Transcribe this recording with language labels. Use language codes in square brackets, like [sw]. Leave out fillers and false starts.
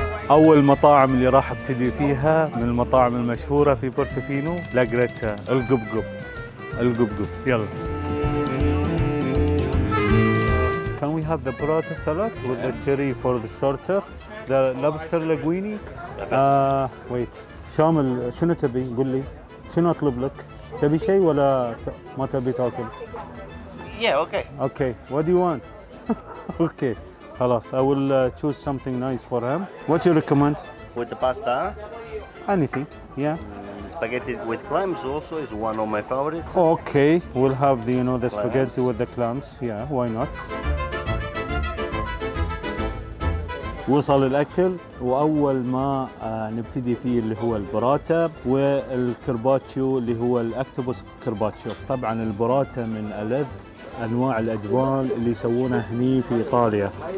[ar] أول المطاعم اللي راح أبتدي فيها من المطاعم المشهورة في بورتوفينو لاجريتا القبقب. القبقب يلا. [en] Can we have the burrata salad with the cherry for the starter? The lobster linguine. Wait. [ar] شامل شنو تبي؟ قل لي. شنو أطلب لك؟ تبي شيء ولا ما تبي تأكل؟ [en] Yeah, okay. Okay. What do you want? Okay. خلاص. I will choose something nice for him. What you recommend? With the pasta. Anything. Yeah. Spaghetti with clams also is one of my favorites. Okay. We'll have the, you know, the spaghetti with the clams. Yeah. Why not? [ar] وصل الأكل وأول ما نبتدي فيه اللي هو البراتا والكرباتشو اللي هو الأكتوبوس كرباتشو. طبعاً البراتا من ألذ أنواع الأجبان اللي يسوونها هني في إيطاليا.